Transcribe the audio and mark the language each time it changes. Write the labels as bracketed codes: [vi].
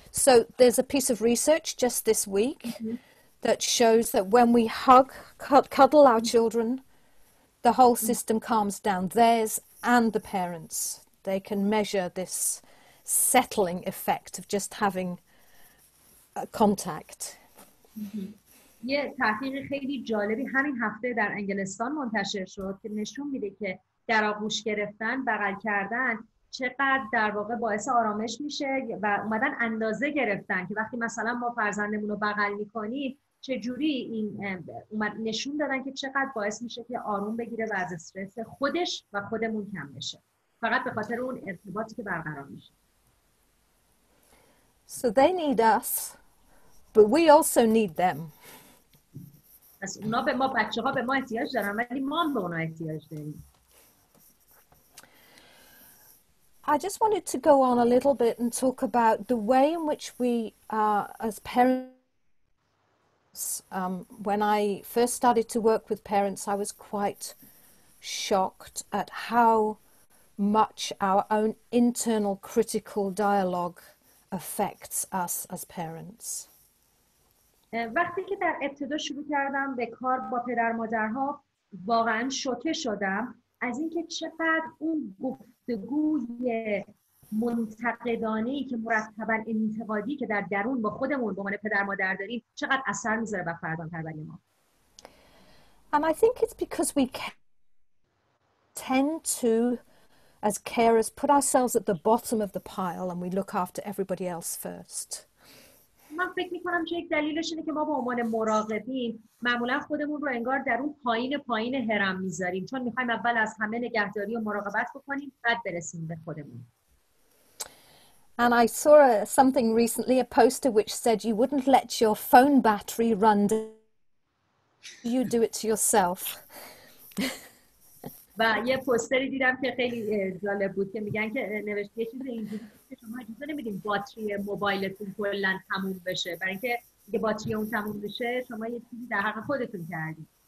[en] So there's a piece of research just this week that shows that when we cuddle our children, the whole system calms down, theirs and the parents. They can measure this settling effect of just having a contact. [fa] یه تحقیق خیلی جالبی همین هفته در انگلستان منتشر شد که نشون میده که در آغوش گرفتن، بغل کردن چقدر در واقع باعث آرامش میشه. و اومدن اندازه گرفتن که وقتی مثلا ما فرزندمون رو بغل میکنیم چجوری این اومد، نشون دادن که چقدر باعث میشه که آروم بگیره و از استرس خودش و خودمون کم بشه، فقط به خاطر اون ارتباطی که برقرار میشه. [en] So they need us, but we also need them. [fa] پس اونا به ما، بچه ها به ما احتیاج دارن، ولی ما هم به اونا احتیاج داریم. [en] I just wanted to go on a little bit and talk about the way in which we as parents. When I first started to work with parents, I was quite shocked at how much our own internal critical dialogue affects us as parents. [fa] وقتی که در ابتدا شروع کردم به کار با پدر مادرها، واقعا شوکه شدم از اینکه چقدر اون گفتگوی منتقدانه ای که مرتبا انتقادی که در درون با خودمون به عنوان پدر مادر داریم چقدر اثر میذاره بر فرزند پروری ما. [en] And I think it's because we tend to, as carers, put ourselves at the bottom of the pile and we look after everybody else first. [fa] من فکر میکنم که یک دلیلش اینه که ما به عنوان مراقبین معمولا خودمون رو انگار در اون پایین هرم میذاریم، چون میخوایم اول از همه نگهداری و مراقبت بکنیم بعد برسیم به خودمون. [en] And I saw something recently, a poster which said you wouldn't let your phone battery run down. You do it to yourself. [fa] و یه پوستری دیدم که خیلی جالب بود که میگن که نوشته یه چیزی اینجوری که شما اجازه نمیدین باتری موبایلتون کلا تموم بشه، برای اینکه اگه باتری اون تموم بشه شما یه چیزی در حق خودتون کردید.